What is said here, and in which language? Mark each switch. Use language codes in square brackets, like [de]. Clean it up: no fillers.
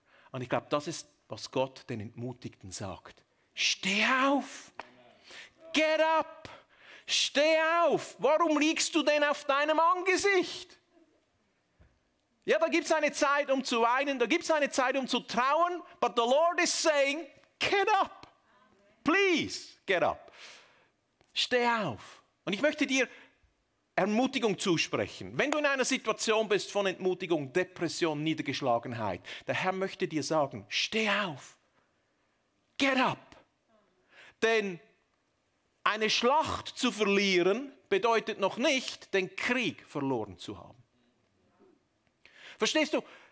[de] Und ich glaube, das ist, was Gott den Entmutigten sagt. Steh auf. [en] Get up. [de] Steh auf. Warum liegst du denn auf deinem Angesicht? Ja, da gibt es eine Zeit, um zu weinen. Da gibt es eine Zeit, um zu trauern. [en] But the Lord is saying, get up. Please, get up. [de] Steh auf. Und ich möchte dir Ermutigung zusprechen. Wenn du in einer Situation bist von Entmutigung, Depression, Niedergeschlagenheit, der Herr möchte dir sagen, steh auf. [en] Get up. [de] Denn eine Schlacht zu verlieren, bedeutet noch nicht, den Krieg verloren zu haben. Verstehst du?